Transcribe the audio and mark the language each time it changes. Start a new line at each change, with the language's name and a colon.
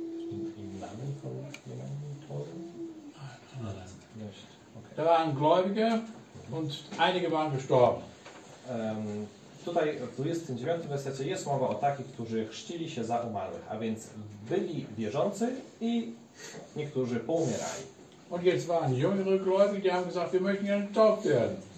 German: Im Namen von jemandem Todes? Okay. Da waren Gläubige und einige waren gestorben.
Polish: Tutaj w 29 wersecie jest mowa o takich, którzy chrzcili się za umarłych, a więc byli wierzący i niektórzy poumierali.
German: Und jetzt waren jüngere Gläubige, die haben gesagt, wir möchten gerne getauft werden.